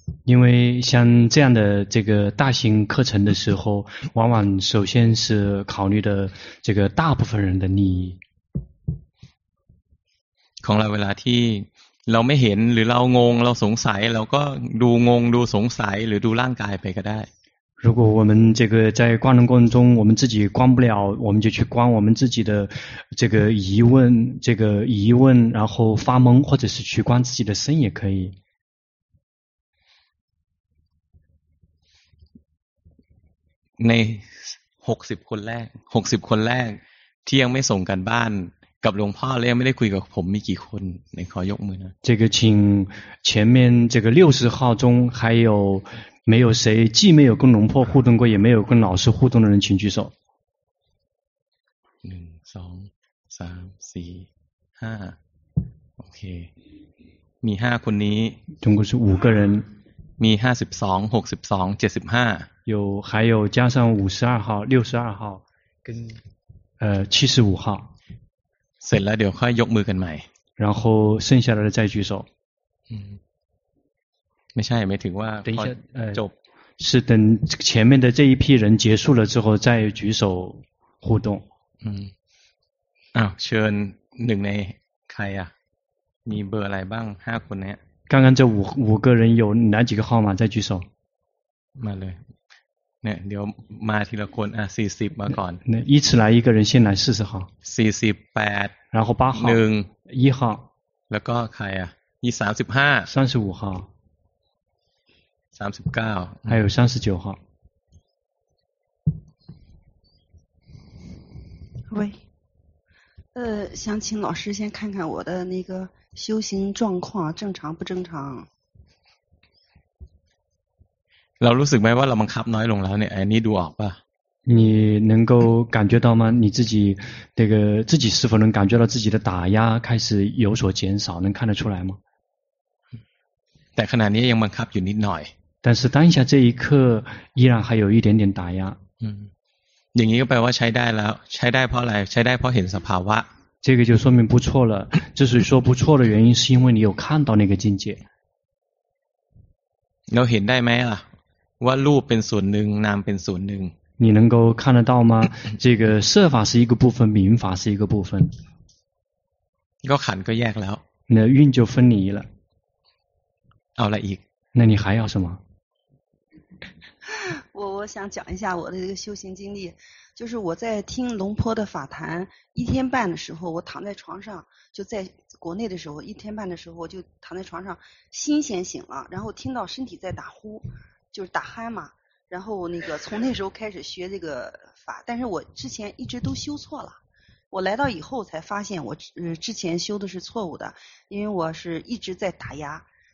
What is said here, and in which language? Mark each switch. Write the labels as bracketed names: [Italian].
[Chinese] 因为像这样的这个大型课程的时候，往往首先是考虑的这个大部分人的利益。 [Thai] ของเราเวลาที่เราไม่เห็นหรือเรางงเราสงสัยเราก็ดูงงดูสงสัยหรือดูร่างกายไปก็ได้。 [Chinese] 如果我们这个在观能过程中，我们自己观不了，我们就去观我们自己的这个疑问，这个疑问，然后发懵，或者是去观自己的身也可以。 [Thai] ใน60คนแรก60คนแรกที่ยังไม่ส่งกันบ้านกับหลวงพ่อแล้วยังไม่ได้คุยกับผมมีกี่คนในขอยกมือนะ [Chinese] 这个请前面这个60号中还有没有谁既没有跟龙破互动过也没有跟老师互动的人请举手 [Thai] 1 2 3 4 5 OK มี5คนนี้ [Chinese] 总共是5个人 [Thai] มี52 62 75 [Chinese] 有还有加上52号62号跟75号 [Thai] เสร็จแล้วเดี๋ยวค่อยยกมือกันใหม่ [Chinese] 然后剩下的再举手 [Thai] ไม่ใช่ไม่ถึงว่า พอ จบ [Chinese] 是等前面的这一批人结束了之后再举手互动 [Thai] อ้าวเชิญหนึ่งในใครอ่ะมีเบอร์อะไรบ้าง5คนเนี้ย [Chinese] 刚刚这五个人有哪几个号码再举手 [Thai] มาเลยเนี่ยเดี๋ยวมาทีละคนอ่ะ40มาก่อน [Chinese] 一次来一个人先来40号 [Thai] 48 [Chinese] 然后8号 [Thai] 1 [Chinese] 1号 [Thai] แล้วก็ใครอ่ะ35 [Chinese] 35号 [Thai] 39 [Chinese] 还有39号喂想请老师先看看我的那个修行状况正常不正常 [Thai] เรารู้สึกไหมว่าเราบังคับน้อยลงแล้วเนี่ยอันนี้ดูออกป่ะ [Chinese] 你能够感觉到吗你自己这个自己是否能感觉到自己的打压开始有所减少能看得出来吗 [Thai] แต่ขณะนี้ยังบังคับอยู่นิดหน่อย [Chinese] 但是当下这一刻依然还有一点点打压 [Thai] อย่างนี้ก็แปลว่าใช้ได้แล้วใช้ได้เพราะอะไรใช้ได้เพราะเห็นสภาวะ [Chinese] 这个就说明不错了之所以说不错的原因是因为你有看到那个境界 [Thai] เราเห็นได้ไหมล่ะว่ารูปเป็นส่วนหนึ่งนามเป็นส่วนหนึ่ง [Chinese] 你能够看得到吗这个色法是一个部分名法是一个部分 [Thai] ก็ขันก็แยกแล้ว [Chinese] 那运就分离了 [Thai] เอาอะไรอีก [Chinese] 那你还要什么我想讲一下我的这个修行经历就是我在听龙坡的法坛一天半的时候我躺在床上就在国内的时候一天半的时候我就躺在床上心先醒了然后听到身体在打呼就是打鼾嘛然后那个从那时候开始学这个法但是我之前一直都修错了我来到以后才发现我之前修的是错误的因为我是一直在打压